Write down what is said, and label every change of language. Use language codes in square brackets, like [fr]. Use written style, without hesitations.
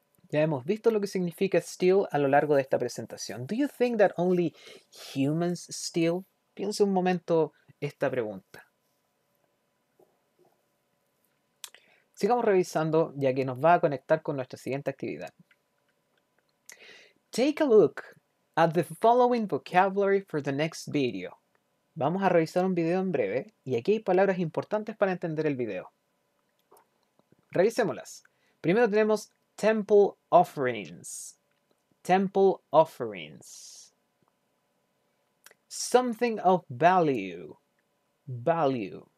[es] Ya hemos visto lo que significa steal a lo largo de esta presentación. [en] Do you think that only humans steal? [es] Piense un momento esta pregunta. Sigamos revisando, ya que nos va a conectar con nuestra siguiente actividad. [en] Take a look at the following vocabulary for the next video. [es] Vamos a revisar un video en breve, y aquí hay palabras importantes para entender el video. Revisémoslas. Primero tenemos temple offerings. [en] Temple offerings. Something of value. Value.